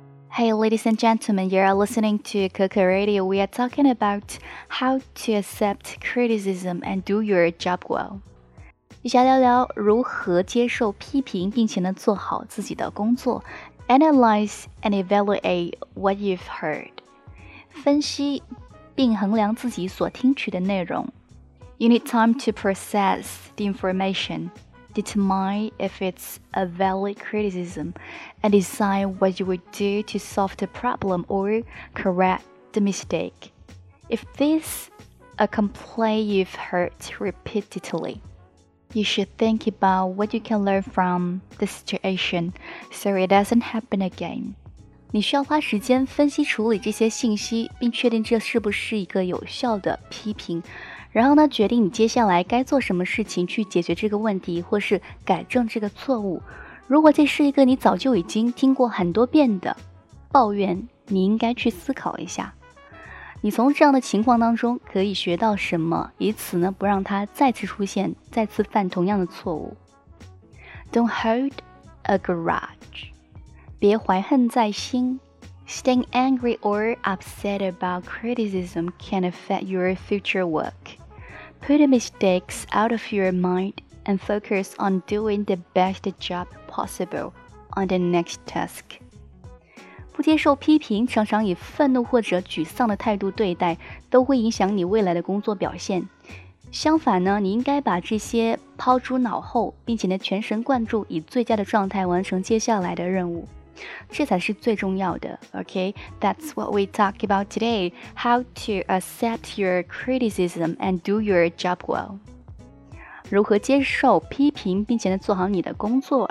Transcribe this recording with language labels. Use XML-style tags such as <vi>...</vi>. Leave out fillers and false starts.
<en>Hey, ladies and gentlemen, you are listening to Coco Radio. We are talking about how to accept criticism and do your job well.</en> <zh>一起来聊聊如何接受批评并且呢做好自己的工作。</zh> <en>Analyze and evaluate what you've heard.</en> <zh>分析并衡量自己所听取的内容。</zh> <en>You need time to process the information. Determine if it's a valid criticism and decide what you would do to solve the problem or correct the mistake. If this a complaint you've heard repeatedly, you should think about what you can learn from the situation so it doesn't happen again.</en> <zh>你需要花时间分析处理这些信息并确定这是不是一个有效的批评。然后呢，决定你接下来该做什么事情去解决这个问题，或是改正这个错误。如果这是一个你早就已经听过很多遍的抱怨，你应该去思考一下，你从这样的情况当中可以学到什么，以此呢不让它再次出现，再次犯同样的错误。</zh> <en>Don't hold a grudge，</en> <zh>别怀恨在心。</zh> <en>Staying angry or upset about criticism can affect your future work. Put the mistakes out of your mind and focus on doing the best job possible on the next task.</en> <zh>不接受批评，常常以愤怒或者沮丧的态度对待，都会影响你未来的工作表现。相反呢，你应该把这些抛诸脑后，并且呢全神贯注，以最佳的状态完成接下来的任务。这才是最重要的 OK,</zh> <en>that's what we talk about today. How to accept your criticism and do your job well.</en> <zh>如何接受批评并且做好你的工作。</zh>